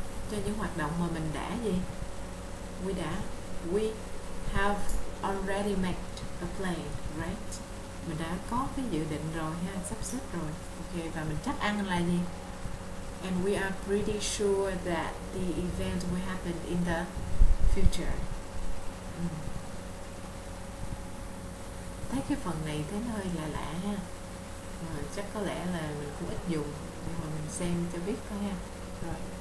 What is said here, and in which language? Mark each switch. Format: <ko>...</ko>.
<vi>Cho những hoạt động mà mình đã gì,</vi> <en>we have already made a plan, right?</en> <vi>Mình đã có cái dự định rồi ha, sắp xếp rồi. Ok, và mình chắc ăn là gì?</vi> <en>And we are pretty sure that the event will happen in the future.</en> <vi>Thấy cái phần này thấy nó hơi lạ lạ ha. Chắc có lẽ là mình cũng ít dùng, nhưng mà mình xem cho biết thôi ha. Rồi.</vi>